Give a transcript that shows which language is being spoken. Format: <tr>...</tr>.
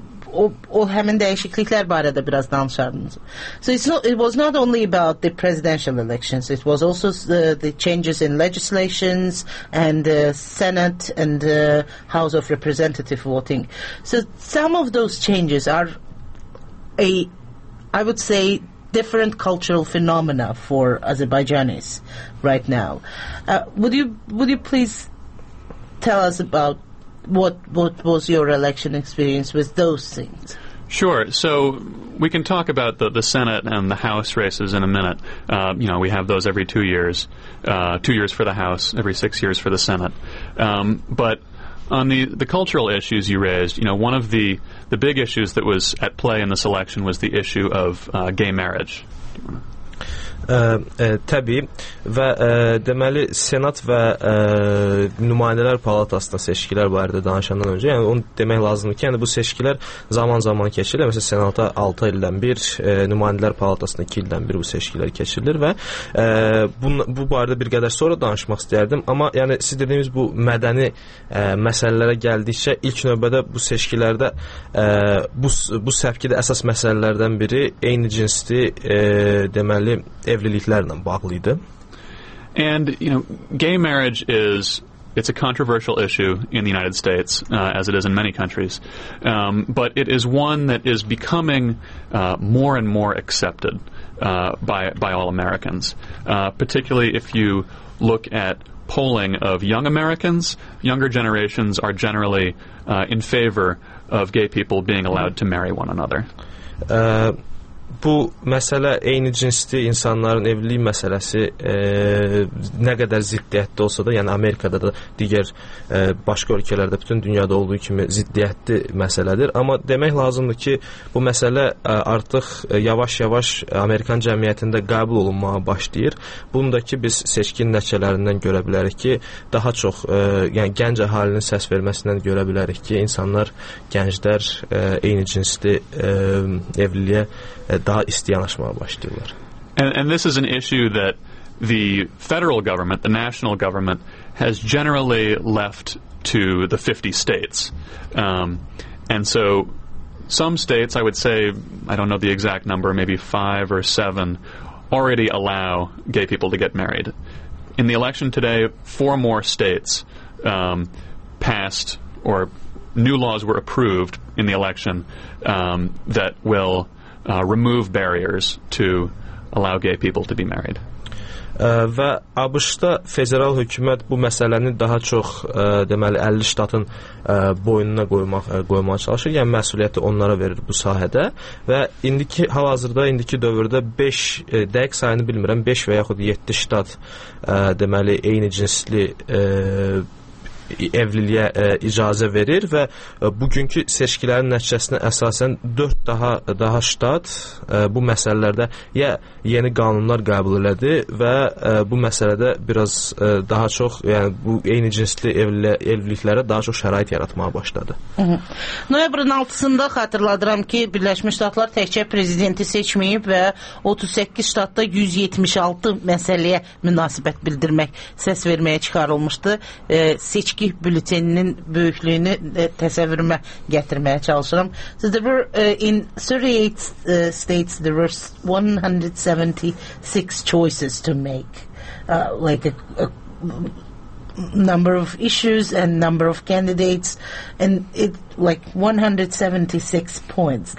<az>O həmin dəyişikliklər barədə biraz danışardınız.</az> <en>So it was not only about the presidential elections, it was also the changes in legislations and the Senate and the House of Representative voting. So some of those changes are I would say different cultural phenomena for Azerbaijanis right now. Would you please tell us about What was your election experience with those things? Sure. So we can talk about the Senate and the House races in a minute. We have those every 2 years, 2 years for the House, every 6 years for the Senate. But on the cultural issues you raised, you know, one of the big issues that was at play in this election was the issue of gay marriage.</en> <az>Təbii və deməli Senat və Nümayəndələr Palatasında seçkilər barədə danışandan öncə, yəni onu demək lazımdır ki, yəni bu seçkilər zaman-zaman keçirilir. Məsələn, Senata 6 ildən bir, Nümayəndələr Palatasında 2 ildən bir bu seçkilər keçirilir və bu barədə bir qədər sonra danışmaq istəyərdim, amma yəni siz dediyiniz bu mədəni məsələlərə gəldikcə ilk növbədə bu seçkilərdə bu səfkidə əsas məsələlərdən biri eyni cinsli deməli evliliklərlə bağlı idi.</az> <en>And you know, gay marriage is a controversial issue in the United States, as it is in many countries. But it is one that is becoming more and more accepted by all Americans. Particularly if you look at polling of young Americans, younger generations are generally in favor of gay people being allowed to marry one another.</en> <az>Bu məsələ eyni cinsli insanların evlilik məsələsi nə qədər ziddiyyətli olsa da, yəni Amerikada da digər başqa ölkələrdə bütün dünyada olduğu kimi ziddiyyətli məsələdir. Amma demək lazımdır ki, bu məsələ artıq yavaş-yavaş Amerikan cəmiyyətində qəbul olunmağa başlayır. Bundakı biz seçkin nəticələrindən görə bilərik ki, daha çox yəni gənc əhalinin səs verməsindən görə bilərik ki, insanlar, gənclər eyni cinsli evliliyə daha isti yanaşmağa başlayırlar.</az> <en>And this is an issue that the federal government, the national government, has generally left to the 50 states. And so some states, I would say, I don't know the exact number, maybe 5 or 7, already allow gay people to get married. In the election today, 4 more states passed, or new laws were approved in the election that will remove barriers to allow gay people to be married.</en> <az>Və ABŞ-da federal hökumət bu məsələni daha çox deməli 50 ştatın boynuna qoymağa çalışır, yəni məsuliyyəti onlara verir bu sahədə və indiki hal-hazırda, indiki dövrdə 5, dəqiq sayını bilmirəm, 5 və yaxud 7 ştat deməli eyni cinsli evliliyə icazə verir və bugünkü seçkilərin nəticəsinə əsasən 4 daha ştat bu məsələlərdə ya yeni qanunlar qəbul elədi və bu məsələdə biraz daha çox, yəni bu eyni cinsli evliliklərə daha çox şərait yaratmağa başladı. Noyabrın 6-sında xatırladıram ki, Birləşmiş Ştatlar təkcə prezidenti seçməyib və 38 ştatda 176 məsələyə münasibət bildirmək, səs verməyə çıxarılmışdı. Seçki bülteninin büyüklüğünü təsəvvürümə gətirməyə çalışıram.</az> <en>So there were in 38 states there were 176 choices to make, like a number of issues and number of candidates, and it like 176 points.</en>